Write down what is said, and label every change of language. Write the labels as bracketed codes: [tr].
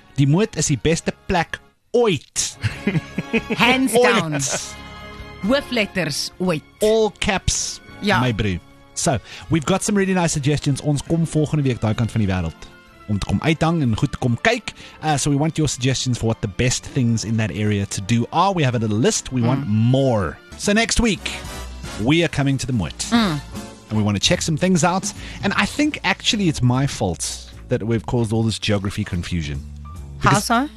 [af] Die Moot is die beste plek ooit. [en] Hands down. With letters, wait. All caps, yeah. My brief. So, we've got some really nice suggestions. [af] Ons kom volgende week daai kant van die wêreld. Om te kom uithang en goed te kom kyk. [en] So we want your suggestions for what the best things in that area to do are. We have a little list. We want more. So next week, we are coming to the Moot. And we want to check some things out. And I think actually it's my fault that we've caused all this geography confusion. Because how so?